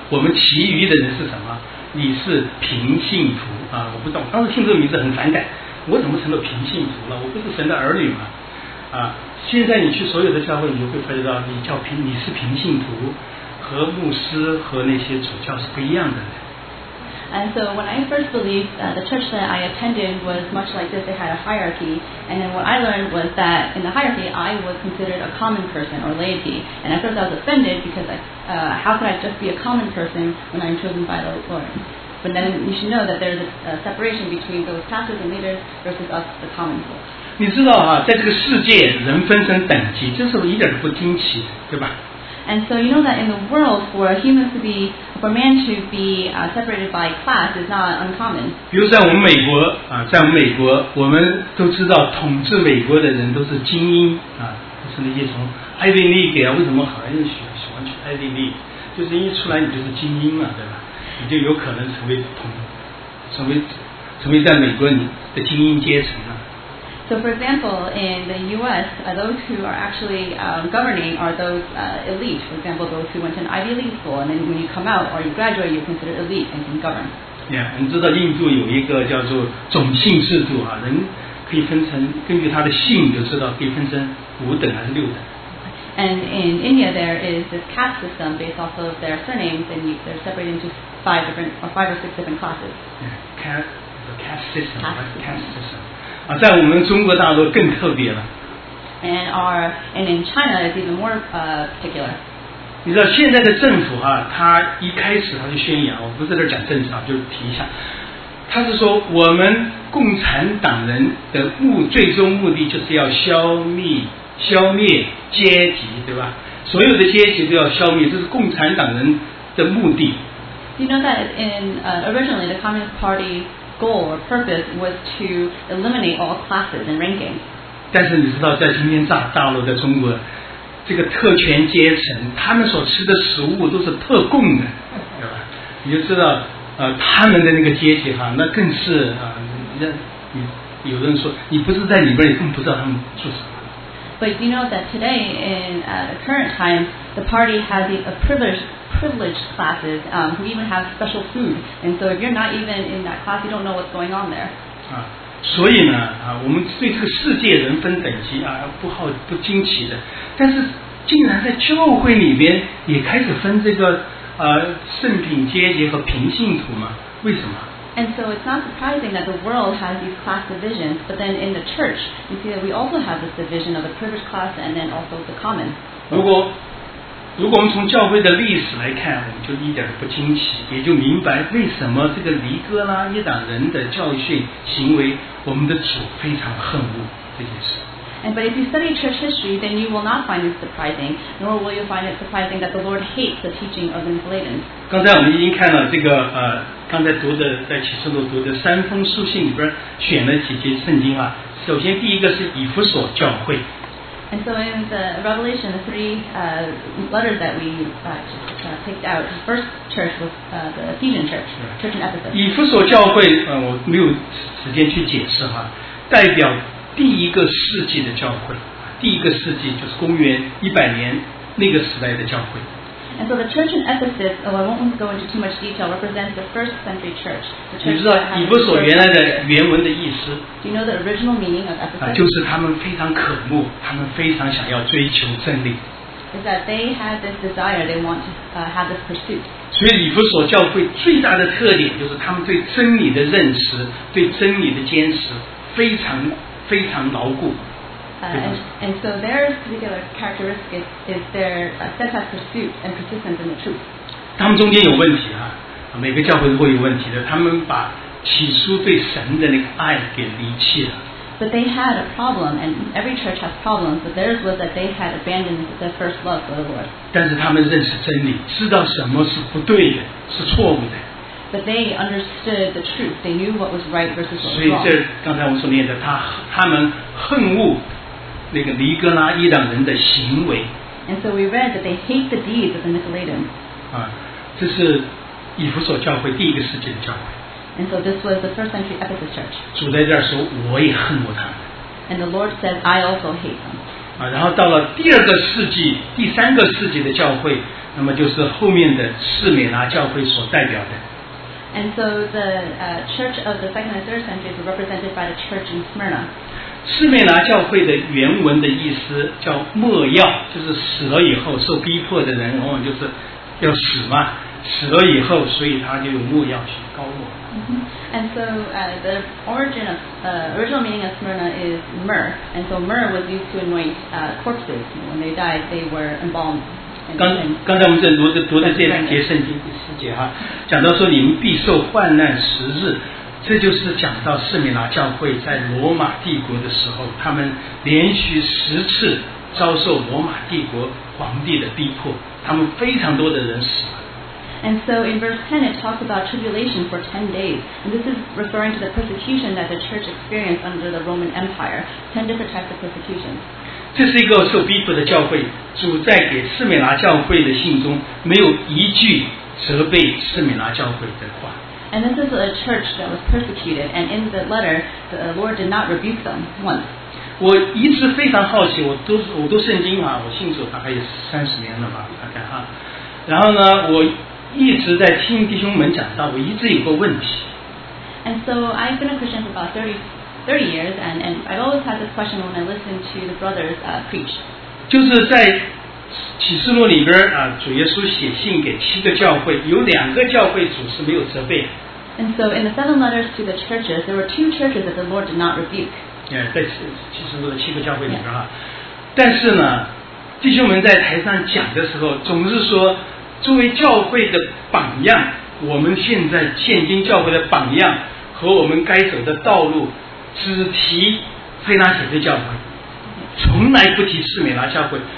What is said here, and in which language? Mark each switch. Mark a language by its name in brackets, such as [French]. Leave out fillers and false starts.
[Chinese] 我们其余的人是什么？你是平信徒啊！我不知道，当时听这个名字很反感，我怎么成了平信徒了？我不是神的儿女吗？啊！现在你去所有的教会，你会发觉到，你是平信徒，和牧师和那些主教是不一样的。 [English] And so when I first believed, the church that I attended was much like this. It had a hierarchy. And then what I learned was that in the hierarchy, I was considered a common person or laity. And at first I was offended because how could I just be a common person when I'm chosen by the Lord? But then you should know that there's a separation between those pastors and leaders versus us, the common folk. [Chinese] 你知道啊，在这个世界人分成等级，这是一点都不惊奇，对吧？ [English] And so you know that in the world, for a man to be separated by class is not uncommon. [Chinese] 比如在我们美国啊，在我们美国，我们都知道统治美国的人都是精英啊，就是那些从 Ivy League 啊，为什么好多人喜欢去 Ivy League？就是一出来你就是精英了，对吧？你就有可能成为在美国你的精英阶层啊。 [English] So, for example, in the U.S., those who are actually governing are those elite. For example, those who went to an Ivy League school, and then when you come out or you graduate, you're considered elite and can govern. [Chinese] Yeah, 你知道印度有一个叫做种姓制度啊，人可以分成根据他的姓就知道可以分成五等还是六等。 [English] And in India, there is this caste system based off of their surnames, and they're separated into five or six different classes. Yeah, caste system. [Chinese] 在我们中国大陆更特别了。 [English] And in China it's even more particular. [Chinese] 你知道现在的政府啊，他一开始他就宣扬，我不在这讲政治啊，就提一下，他是说我们共产党人的最终目的就是要消灭阶级，对吧？所有的阶级都要消灭，这是共产党人的目的。 [English] You know that in originally the Communist Party. Goal or purpose was to eliminate all classes and rankings. [Chinese] 但是你知道，在今天大陆的中国，这个特权阶层，他们所吃的食物都是特供的，对吧？你就知道，他们的那个阶级哈，那更是啊，有的人说，你不是在里边，你更不知道他们做什么。 [English] But you know that today in the current times, the party has a privileged classes who even have special food. And so if you're not even in that class, you don't know what's going on there. [Chinese] 啊，所以呢，啊，我们对这个世界人分等级啊，不惊奇的。但是竟然在教会里边也开始分这个圣品阶级和平信徒嘛？为什么？ [English] And so it's not surprising that the world has these class divisions, but then in the church, you see that we also have this division of the privileged class and then also the common. [Chinese] 如果我们从教会的历史来看，我们就一点不惊奇，也就明白为什么这个离哥啦、耶党人的教训行为，我们的主非常恨恶这件事。 [English] And but if you study church history, then you will not find it surprising, nor will you find it surprising that the Lord hates the teaching of the Nicolaitans. [Chinese] 刚才我们已经看了这个刚才读的在启示录读的三封书信里边选了几节圣经啊。首先第一个是以弗所教会。 [English] And so in the Revelation, the three letters that we picked out, the first church was the Ephesian church, church in Ephesus. [Chinese] 以弗所教会我没有时间去解释哈，代表。第一个世纪的教会，第一个世纪就是公元100年那个时代的教会。 [English] And so the church in Ephesus, I won't go into too much detail, represents the first century church. [Chinese] 你知道以弗所原来的原文的意思 [English] ？Do you know the original meaning of Ephesus? [Chinese] 就是他们非常渴慕，他们非常想要追求真理。 [English] Is that they had this desire, they want to have this pursuit. [Chinese] 所以以弗所教会最大的特点就是他们对真理的认识，对真理的坚持非常。非常牢固。 [English] And so their particular characteristic is their steadfast pursuit and persistence in the truth. [Chinese] 他们中间有问题啊，每个教会都会有问题的，他们把起初对神的那个爱给离弃了。 [English] But they had a problem, and every church has problems, but theirs was that they had abandoned the first love for the Lord. [Chinese] 但是他们认识真理，知道什么是不对的，是错误的。 [English] But they understood the truth. They knew what was right versus what was wrong. [Chinese] 所以这刚才我所念的，他们恨恶那个尼哥拉伊党人的行为。 [English] And so we read that they hate the deeds of the Nicolaitans. [Chinese] 啊，这是以弗所教会第一个世纪的教会。 [English] And so this was the first century Ephesus church. [Chinese] 主在这儿说，我也恨恶他们。 [English] And the Lord said, I also hate them. [Chinese] 啊，然后到了第二个世纪、第三个世纪的教会，那么就是后面的士美拿教会所代表的。 [English] And so the church of the second and third centuries were represented by the church in Smyrna. [Chinese] 士美拿教会的原文的意思叫末药，就是死了以后受逼迫的人，往往就是要死嘛。死了以后，所以他就用末药去膏抹。 Mm-hmm. [English] And so the origin of original meaning of Smyrna is myrrh, and so myrrh was used to anoint corpses. When they died, they were embalmed. [Chinese] 刚才我们正读的这节圣经第四节哈，讲到说你们必受患难十日，这就是讲到士美拿教会在罗马帝国的时候，他们连续十次遭受罗马帝国皇帝的逼迫，他们非常多的人死了。 [English] And so in verse 10, it talks about tribulation for 10 days. And this is referring to the persecution that the church experienced under the Roman Empire. 10 different types of persecution. [Chinese] 这是一个受逼迫的教会，主在给士美拿教会的信中没有一句责备士美拿教会的话。 [English] And this is a church that was persecuted, and in the letter, the Lord did not rebuke them once. [Chinese] 我一直非常好奇，我读圣经啊，我信主大概有30年了吧，大概哈。然后呢，我一直在听弟兄们讲到，我一直有个问题。 [English] And so I've been a Christian for about 30 years, and I've always had this question when I listen to the brothers preach. [Chinese] 就是在启示录里边啊，主耶稣写信给七个教会，有两个教会主是没有责备。 [English] And so in the seven letters to the churches, there were two churches that the Lord did not rebuke. [Chinese] Yeah, 在启示录的七个教会里边啊， yeah. 但是呢，弟兄们在台上讲的时候，总是说。作为教会的榜样，我们现在现今教会的榜样和我们该走的道路，只提非拉铁的教会，从来不提士美拿教会。